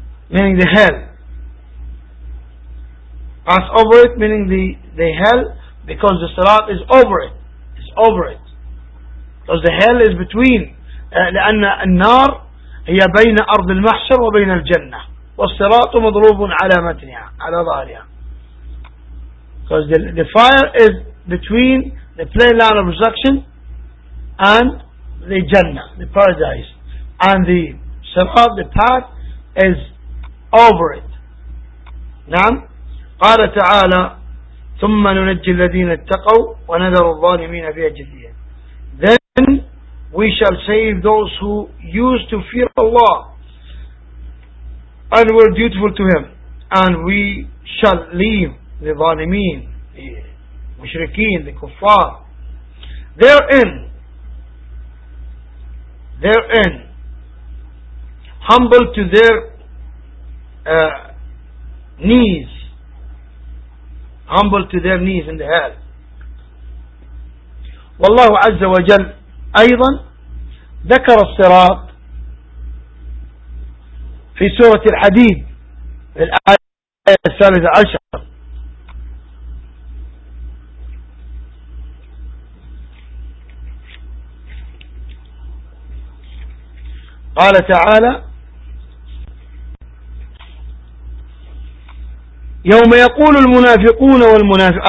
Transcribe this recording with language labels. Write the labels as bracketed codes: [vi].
[en] Meaning the hell. Pass over it, meaning the hell, because the Sirat is over it. It's over it. Because the hell is between. [ar] لأن النار هي بين أرض المحشر وبين الجنة. والصراط مضروب على متنها على ظهرها. [en] Because the fire is between the plain land of resurrection and the Jannah, the paradise. And the Sirat, the path, is over it. [ar] نعم. قال تعالى ثم ننجي الذين اتقوا ونذر الظالمين فيها جثيا. [en] Then we shall save those who used to fear Allah and were dutiful to Him, and we shall leave the ظالمين, the مشركين, the كفار, therein humble to their knees, humble to their knees in the hell. [ar] والله عز وجل أيضا ذكر الصراط في سورة الحديد الآية 13 قال تعالى يوم يقول المنافقون والمنافق.